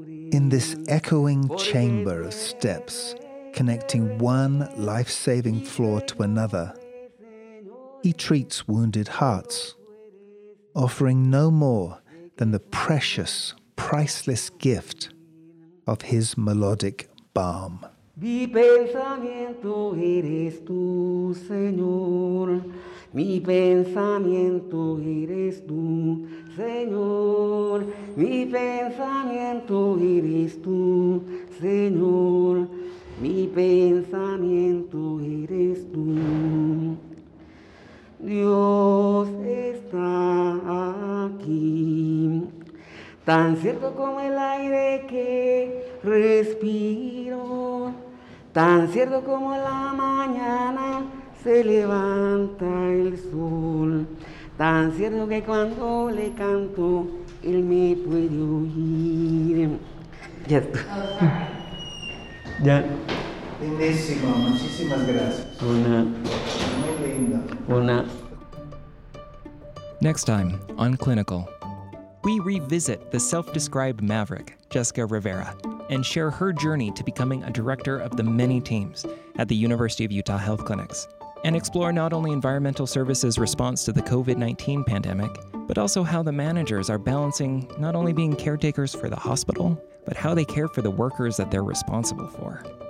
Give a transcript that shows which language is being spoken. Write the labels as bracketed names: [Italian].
[English] In this echoing chamber of steps, connecting one life-saving floor to another, he treats wounded hearts, offering no more than the precious, priceless gift of his melodic balm. [Spanish] Mi pensamiento eres tú, Señor. Mi pensamiento eres tú, Señor. Mi pensamiento eres tú, Señor. Mi pensamiento eres tú. Dios está aquí, tan cierto como el aire que respiro, tan cierto como la mañana se levanta el sol, tan cierto que cuando le canto, él me puede oír. Ya. Ya. Bienísimo, muchísimas gracias. Una. Muy linda. Una. [English] Next time on Clinical, we revisit the self-described maverick, Jessica Rivera, and share her journey to becoming a director of the many teams at the University of Utah Health Clinics, and explore not only environmental services' response to the COVID-19 pandemic, but also how the managers are balancing not only being caretakers for the hospital, but how they care for the workers that they're responsible for.